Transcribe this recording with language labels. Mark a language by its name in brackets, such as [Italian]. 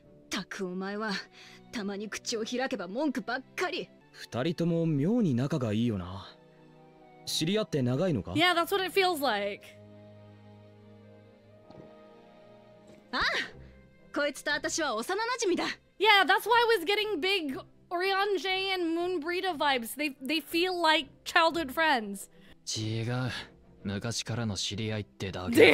[Japanese] たくお前はたまに口を開けば文句ばっかり。二人とも妙に仲がいいよな。知り合って長いのか。 [English] Yeah, that's what it feels like. [Japanese] ああ、こいつと私は幼馴染だ。 [English] Yeah, that's why I was getting big Orion Jay and Moon Breeder vibes. They feel like childhood friends. [Japanese] 違う、昔からの知り合いってだけ。